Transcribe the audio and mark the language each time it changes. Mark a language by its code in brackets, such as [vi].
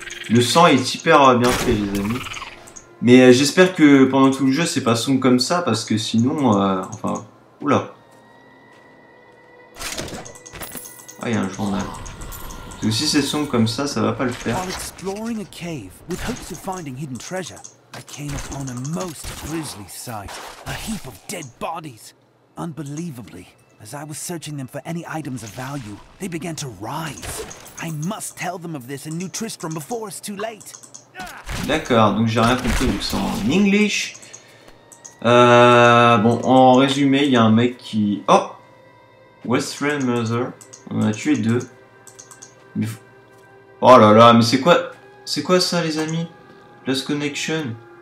[fr] Le sang est hyper bien fait, les amis. Mais j'espère que pendant tout le jeu, c'est pas sombre comme ça. Parce que sinon... enfin... Oula. Ah, il y a un journal. Donc si c'est sombre comme ça, ça va pas le faire. [en] While exploring a cave with hopes of finding hidden treasure, I came upon a most grisly sight. A heap of dead bodies. Unbelievably, as I was searching them for any items of value, they began to rise. I must tell them of this and New Tristram before it's too late. [fr] D'accord, donc j'ai rien compris, vu que c'est en English. Bon, en résumé, il y a un mec qui... Oh! Westrand Mother. On a tué deux. Oh là là, mais c'est quoi? C'est quoi ça, les amis? Lost Connection.